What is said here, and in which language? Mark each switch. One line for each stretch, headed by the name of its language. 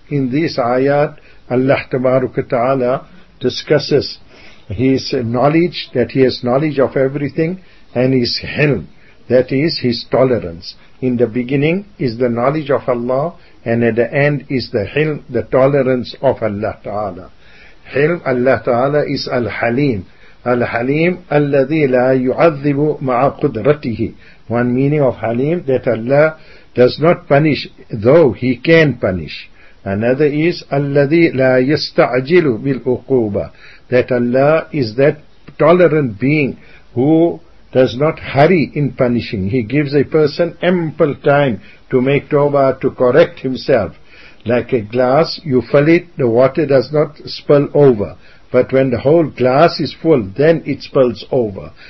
English: In this ayat, Allah tabarak wa ta'ala discusses His knowledge, that He has knowledge of everything, and His Hilm, that is His tolerance. In the beginning is the knowledge of Allah, and at the end is the Hilm, the tolerance of Allah ta'ala. Hilm, Allah ta'ala, is Al-Halim.
Arabic: Al-Halim, الذي لا يعذب مع قدرته.
English: One meaning of Halim, that Allah does not punish, though He can punish. Another is,
Arabic: الذي لا يستعجل بالعقوبة.
English: That Allah is that tolerant being who does not hurry in punishing. He gives a person ample time to make tawbah, to correct himself. Like a glass, you fill it, the water does not spill over. But when the whole glass is full, then it spills over.